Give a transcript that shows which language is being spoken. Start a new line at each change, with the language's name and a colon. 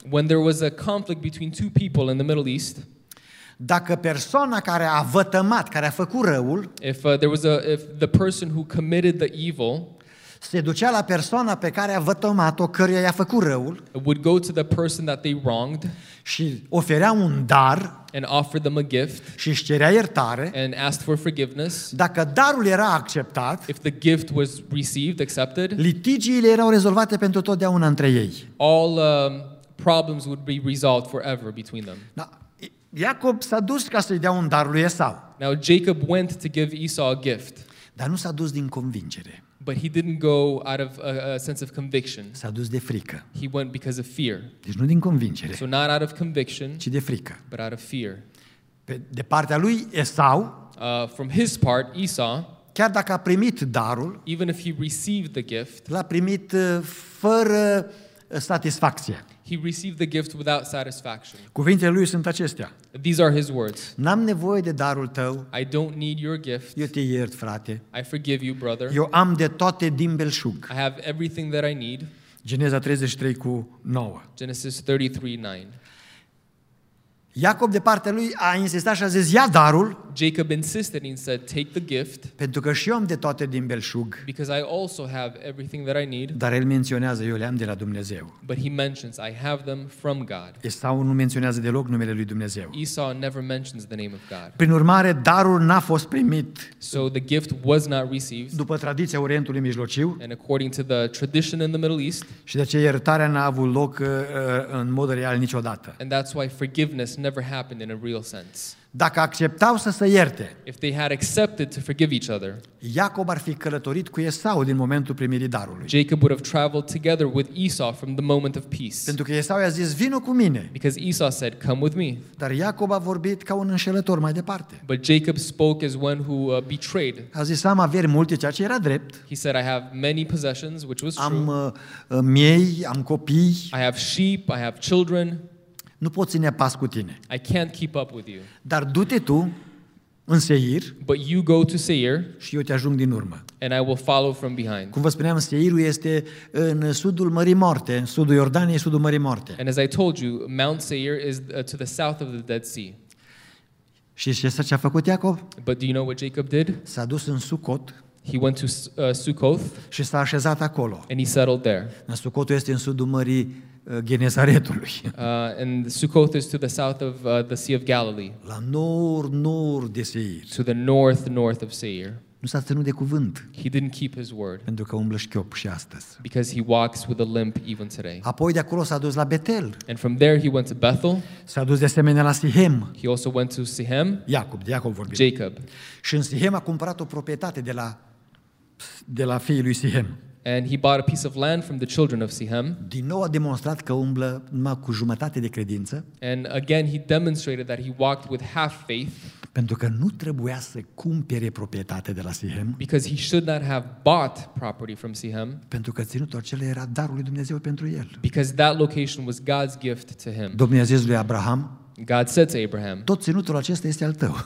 English: When there was a conflict between two people in the Middle East.
Romanian: Dacă persoana care a vătămat, care a făcut răul,
English: if the person who committed the evil,
Romanian: se ducea la persoana pe care a vătămat-o, căruia i-a făcut răul,
English: would go to the person that they wronged,
Romanian: și oferea un dar,
English: and offered them a gift,
Romanian: și își cerea iertare,
English: and asked for forgiveness,
Romanian: dacă darul era acceptat,
English: if the gift was received, accepted,
Romanian: litigiile erau rezolvate pentru totdeauna între ei.
English: All problems would be resolved forever between them.
Romanian: Da. Iacob s-a dus ca să-i dea un dar lui Esau.
English: Now Jacob went to give Esau a gift.
Romanian: Dar nu s-a dus din convingere.
English: But he didn't go out of a sense of conviction.
Romanian: S-a dus de frică.
English: He went because of fear.
Romanian: Deci nu din convingere.
English: So not out of conviction.
Romanian: Ci de frică.
English: But out of fear.
Romanian: De partea lui Esau.
English: From his part, Esau.
Romanian: Chiar dacă a primit darul.
English: Even if he received the gift.
Romanian: L-a primit fără satisfacție.
English: He received the gift without satisfaction.
Romanian: Cuvintele lui sunt acestea.
English: These are his words.
Romanian: N-am nevoie de darul tău.
English: I don't need your gift.
Romanian: Eu te iert, frate.
English: I forgive you, brother.
Romanian: Eu am de toate din belșug.
English: I have everything that I need.
Romanian: Geneza 33:9.
English: Genesis 33:9.
Romanian: Iacob de partea lui a insistat și a zis: ia darul.
English: Jacob insisted and said, take the gift.
Romanian: Pentru că și eu am de toate din belșug.
English: Because I also have everything that I need.
Romanian: Dar el menționează: eu le-am de la Dumnezeu.
English: But he mentions, I have them from God.
Romanian: Esau nu menționează deloc numele lui Dumnezeu.
English: Esau never mentions the name of God.
Romanian: Prin urmare, darul n-a fost primit.
English: So the gift was not received.
Romanian: După tradiția Orientului Mijlociu.
English: And according to the tradition in the Middle East.
Romanian: Și de aceea iertarea n-a avut loc în mod real niciodată.
English: And that's why forgiveness never happened in a real sense.
Romanian: Dacă acceptau să se ierte,
English: if they had accepted to forgive each other,
Romanian: Iacob ar fi călătorit cu Esau din momentul primirii darului.
English: Jacob would have traveled together with Esau from the moment of peace.
Romanian: Pentru că Esau i-a zis: vino cu mine.
English: Because Esau said, come with me.
Romanian: Dar Iacob a vorbit ca un înșelător mai departe.
English: But Jacob spoke as one who betrayed.
Romanian: A zis: am averi multe, ceea ce era drept.
English: He said, I have many possessions, which was true.
Romanian: Am miei, am copii.
English: I have sheep, I have children.
Romanian: Nu pot ține pas cu tine.
English: I can't keep up with you.
Romanian: Dar du-te tu în Seir.
English: But you go to Seir.
Romanian: Și eu te ajung din urmă.
English: And I will follow from behind.
Romanian: Cum vă spuneam, Seirul este în sudul Mării Moarte, în sudul Iordaniei, sudul Mării Moarte.
English: And as I told you, Mount Seir is to the south of the Dead Sea.
Romanian: Și știi ce a făcut Iacob?
English: But do you know what Jacob did?
Romanian: S-a dus în Sukot.
English: He went to Sukoth.
Romanian: Și s-a așezat acolo.
English: And he settled there.
Romanian: Sukotul este în sudul Mării Genezaretului.
English: And Sukoth is to the south of the Sea of Galilee.
Romanian: La nord, nord de Seir.
English: To the north, north of Seir.
Romanian: Nu s-a ținut de cuvânt.
English: He didn't keep his word.
Romanian: Pentru că umblă șchiop și astăzi.
English: Because he walks with a limp even today.
Romanian: Apoi de acolo s-a dus la Betel.
English: And from there he went to Bethel.
Romanian: S-a dus de asemenea la Sihem.
English: He also went to Sihem.
Romanian: Iacob, de Iacob vorbim.
English: Jacob.
Romanian: Și în Sihem a cumpărat o proprietate de la fiii lui Sihem.
English: And he bought a piece of land from the children of Sihem.
Romanian: Din nou a demonstrat că umblă numai cu jumătate de credință.
English: And again he demonstrated that he walked with half faith.
Romanian: Pentru că nu trebuia să cumpere proprietate de la Sihem.
English: Because he should not have bought property from Sihem.
Romanian: Pentru că ținutul acela era darul lui Dumnezeu pentru el.
English: Because that location was God's gift to him.
Romanian: Domnul i-a zis lui Abraham.
English: God said to Abraham.
Romanian: Tot ținutul acesta este al tău.